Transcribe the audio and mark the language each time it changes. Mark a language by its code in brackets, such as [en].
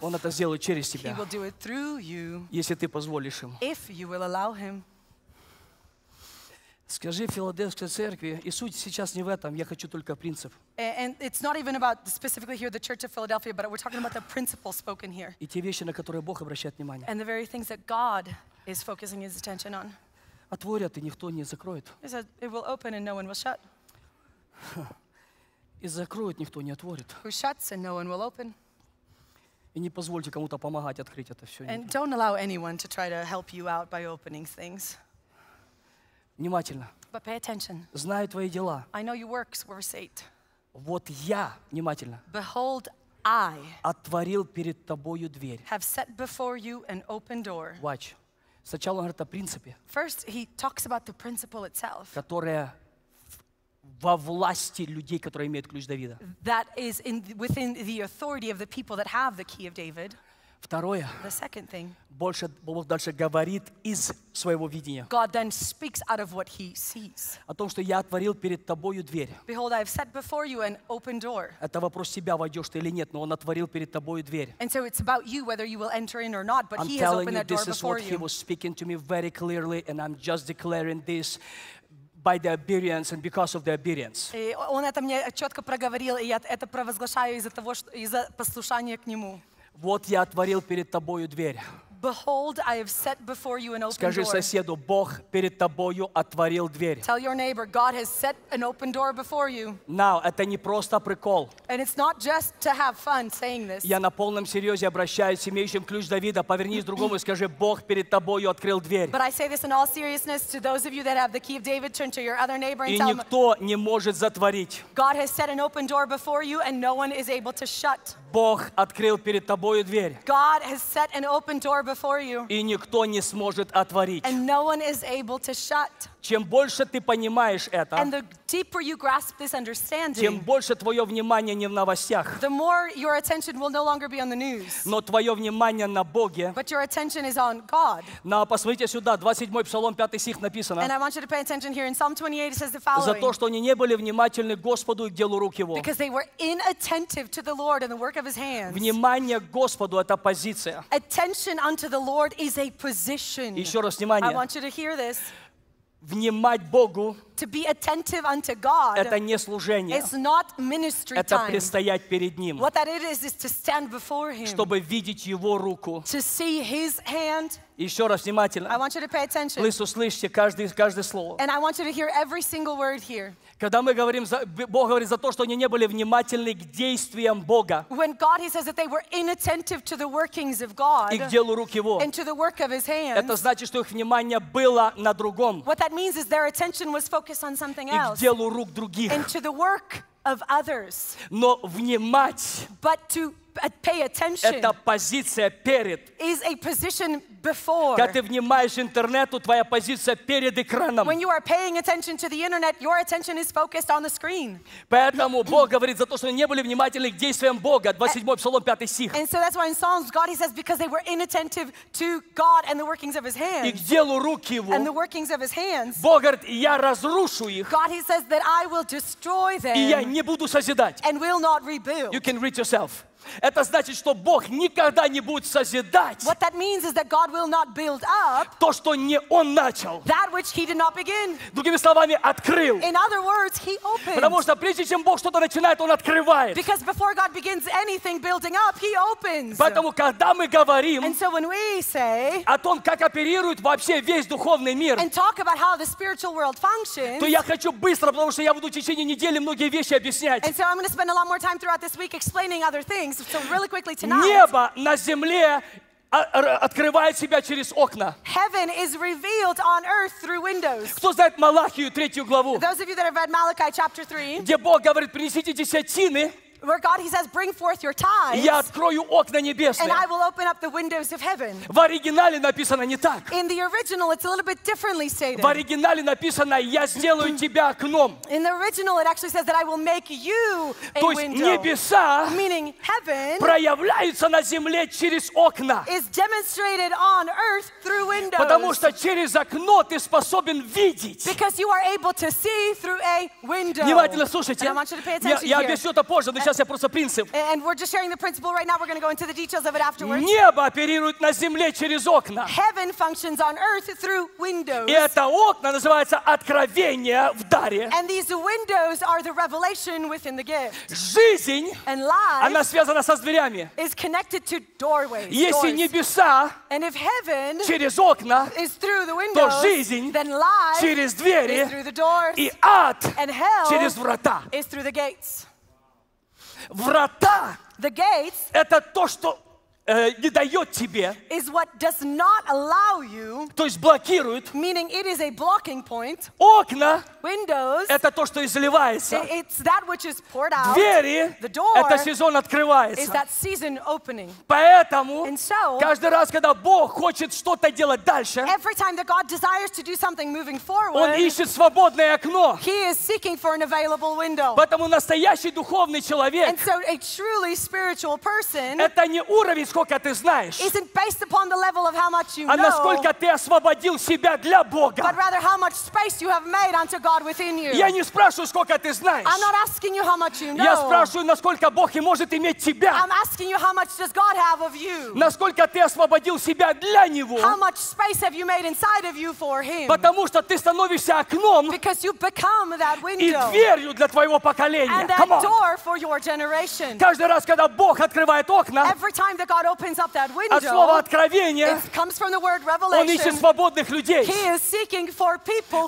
[ru] Он это сделает через тебя. [en] He will do it through you, [ru] если ты позволишь Ему. [en] If you will allow Him. [ru] Скажи Филадельфской церкви, и суть сейчас не в этом, я хочу только принцип. [en] And it's not even about specifically here the Church of Philadelphia, but we're talking about the principle spoken here. [ru] И те вещи, на которые Бог обращает внимание. [en] And the very things that God is focusing His attention on. [ru] Отворят, и никто не закроет. [en] He said, it will open and no one will shut. [ru] И закроют, никто не отворит. [en] Who shuts and no one will open. [ru] И не позвольте кому-то помогать открыть это все. [en] And don't allow anyone to try to help you out by opening things. [ru] Внимательно. [en] But pay attention. [ru] Знаю твои дела. [en] I know your works, verse 8. [ru] Вот я, внимательно. [en] Behold, I [ru] отворил перед тобою дверь. [en] Have set before you an open door. Watch. [ru] Сначала он говорит о принципе, [en] first, he talks about the principle itself, [ru] которая во власти людей, которые имеют ключ Давида. [en] That is in, within the authority of the people that have the key of David. [ru] Второе, [en] the second thing, [ru] больше Бог дальше говорит из своего видения. [en] God then speaks out of what he sees. [ru] О том, что я отворил перед тобою дверь. [en] Behold, I have set before you an open door. [ru] Это вопрос себя, войдешь ты или нет, но он отворил перед тобою дверь. [en] And so it's about you whether you will enter in or not, but I'm he has opened that door before you. I'm telling you, this is what he was speaking to me very clearly, and I'm just declaring this by the obedience and because of the obedience. [ru] И он это мне четко проговорил, и я это провозглашаю из-за того, из-за послушания к нему. Вот я отворил перед тобою дверь. [en] Behold, I have set before you an open door. [ru] Скажи соседу, Бог перед тобою отворил дверь. [en] Tell your neighbor, God has set an open door before you. Now, [ru] это не просто прикол. [en] And it's not just to have fun saying this. [ru] Я на полном серьезе обращаюсь к имеющим ключ Давида. Повернись другому и скажи, Бог перед тобою открыл дверь. [en] But I say this in all seriousness to those of you that have the key of David. Turn to your other neighbor and tell him. [ru] И никто не может затворить. [en] God has set an open door before you, and no one is able to shut. [ru] Бог открыл перед тобою дверь. [en] God has set an open door before you. [ru] И никто не сможет отворить. [en] And no one is able to shut. [ru] Чем больше ты понимаешь это, [en] and the deeper you grasp this understanding, [ru] тем больше твое внимание не в новостях, [en] the more your attention will no longer be on the news. [ru] Но твое внимание на Боге. [en] But your attention is on God. [ru] Ну, а посмотрите сюда, 27 псалом, 5 стих написано. [en] And I want you to pay attention here in Psalm 28, it says the following. [ru] За то, что они не были внимательны Господу и делу рук Его. [en] Because they were inattentive to the Lord and the work of His hands. [ru] Внимание Господу — это позиция. [en] Attention unto the Lord is a position. [ru] Еще раз внимание. [en] I want you to hear this. [ru] Внимать Богу — [en] to be attentive unto God — [ru] это не служение. [en] It's not ministry time. [ru] Это предстоять перед Ним. [en] What that is to stand before Him. [ru] Чтобы видеть Его руку. [en] To see His hand. [ru] Еще раз внимательно. [en] I want you to pay attention. [ru] Услышьте каждое слово. [en] And I want you to hear every single word here. [ru] Когда мы говорим, Бог говорит за то, что они не были внимательны к действиям Бога. [en] When God, He says that they were inattentive to the workings of God. [ru] И к делу рук Его. [en] And to the work of His hands. [ru] Это значит, что их внимание было на другом. [en] What that means is their attention was focused on something else. [ru] И к делу рук других. [en] And to the work of others. [ru] Но внимать. [en] But to pay attention. [ru] Это позиция перед. [en] Is a position before. [ru] Когда ты внимаешь интернету, твоя позиция перед экраном. [en] When you are paying attention to the internet, your attention is focused on the screen. [ru] Поэтому Бог говорит за то, что они не были внимательны к действиям Бога. 27 псалом, 5 стих. [en] And so that's why in Psalms God, He says, because they were inattentive to God and the workings of His hands. [ru] И к делу рук Его. [en] And the workings of His hands. [ru] Бог говорит, я разрушу их. [en] God, He says that I will destroy them. [ru] И я не буду созидать. [en] And will not rebuild. You can read yourself. [ru] Это значит, что Бог никогда не будет созидать. [en] What that means is that God will not build up. [ru] То, что не Он начал. [en] That which He did not begin. [ru] Другими словами, открыл. [en] In other words, He opened. [ru] Потому что прежде чем Бог что-то начинает, Он открывает. [en] Because before God begins anything building up, He opens. [ru] Поэтому, когда мы говорим, [en] and so when we say, [ru] о том, как оперирует вообще весь духовный мир, [en] and talk about how the spiritual world functions, [ru] то я хочу быстро, потому что я буду в течение недели многие вещи объяснять. [en] And so I'm going to spend a lot more time throughout this week explaining other things. So really quickly tonight. [ru] Небо на земле открывает себя через окна. [en] Heaven is revealed on earth through windows. [ru] Кто знает Малахию, третью главу? [en] Those of you that have read Malachi chapter 3. [ru] Где Бог говорит, принесите десятины. [en] Where God, He says, bring forth your tithes. [ru] Я открою окна небесные. [en] And I will open up the windows of heaven. [ru] В оригинале написано не так. [en] In the original, it's a little bit differently stated. [ru] В оригинале написано, я сделаю тебя окном. [en] In the original, it actually says that I will make you a [ru] то [en] window. [ru] То есть небеса, [en] meaning heaven, [ru] проявляются на земле через окна. [en] Is demonstrated on earth through windows. [ru] Потому что через окно ты способен видеть. [en] Because you are able to see through a window. [ru] Внимательно слушайте. [en] And I want you to pay attention. [ru] Я объясню это позже. Сейчас я просто принцип. [en] And we're just sharing the principle right now. We're going to go into the details of it afterwards. [ru] Небо оперирует на земле через окна. [en] Heaven functions on earth through windows. [ru] И это окна называется откровение в даре. [en] And these windows are the revelation within the gift. [ru] Жизнь, [en] and life, [ru] она связана со дверями. [en] Is connected to doorways. [ru] Если [en] doors. [ru] Небеса, [en] and if heaven, [ru] через окна, [en] is through the windows, [ru] то жизнь, [en] then life, [ru] через двери, [en] is through the doors, [ru] и ад, [en] and hell, [ru] через врата, [en] is through the gates. [ru] Врата [en] – the gates, [ru] это то, что не дает тебе, [en] is what does not allow you, [ru] то есть блокирует. [en] Meaning it is a blocking point. [ru] Окна [en] – windows, [ru] это то, что изливается. [en] It's that which is poured out. [ru] Двери [en] – the door, [ru] это сезон открывается. [en] Is that season opening. [ru] Поэтому [en] and so, [ru] каждый раз, когда Бог хочет что-то делать дальше, [en] every time that God desires to do something moving forward, [ru] Он ищет свободное окно. [en] He is seeking for an available window. [ru] Поэтому настоящий духовный человек, [en] and so a truly spiritual person, [ru] это не уровень, сколько ты знаешь, [en] isn't based upon the level of how much you [ru] а насколько ты освободил себя для Бога. [en] But rather how much space you have made unto God within you. [ru] Я не спрашиваю, сколько ты знаешь. [en] I'm not asking you how much you know. [ru] Я спрашиваю, насколько Бог и может иметь тебя. [en] I'm asking you how much does God have of you. [ru] Насколько ты освободил себя для Него. [en] How much space have you made inside of you for Him. [ru] Потому что ты становишься окном, [en] because you become that window, [ru] и дверью для твоего поколения. [en] And that door for your generation. [ru] Каждый раз, когда Бог открывает окна, [en] every time that God God opens up that window, [ru] от слова откровения, [en] it comes from the word revelation. [ru] Он ищет свободных людей. [en] He is seeking for people